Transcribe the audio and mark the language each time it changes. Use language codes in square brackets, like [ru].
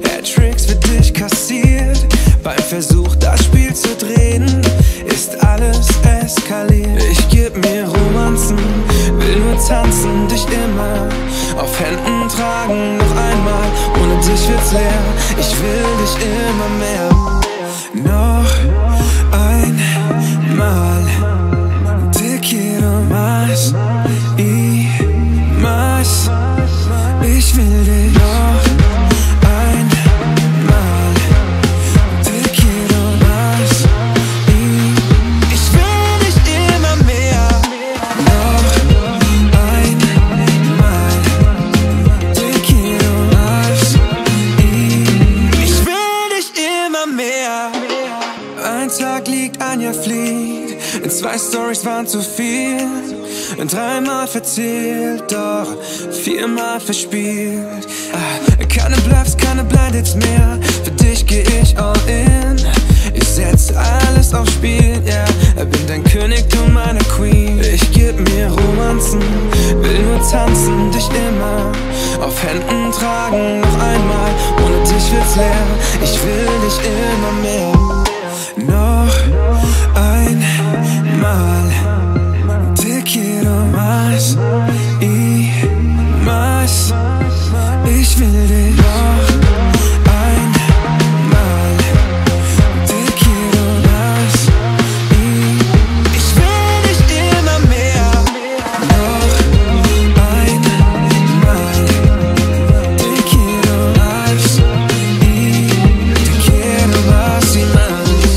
[de] Tricks für dich kassiert. Beim Versuch, das Spiel zu drehen, ist alles eskaliert. Ich geb mir Romanzen, will nur tanzen, dich immer auf Händen tragen, noch einmal. Ohne dich wird's leer, ich will dich immer mehr. Noch einmal, [es] te quiero más y más. [de] Ich will dich noch einmal, [es] te quiero más y [de] ich will dich immer mehr. Noch einmal, [es] te quiero más y [de] ich will dich immer mehr. Ein Tag liegt, Anja fliegt, in zwei Storys waren zu viel. Dreimal verzählt, doch viermal verspielt. Keine Bluffs, keine Blinds mehr. Für dich geh ich all in. Ich setz alles aufs Spiel, yeah. Bin dein König, du meine Queen. Ich geb mir Romanzen, will nur tanzen, dich immer auf Händen tragen, noch einmal. Ohne dich wird's leer, ich will dich immer mehr. Noch einmal, [es] quiero más y más. [de] Ich will dich noch einmal. [es] Te quiero más y [de] ich will dich immer mehr. Noch einmal. [es] Te quiero más y te quiero más y más.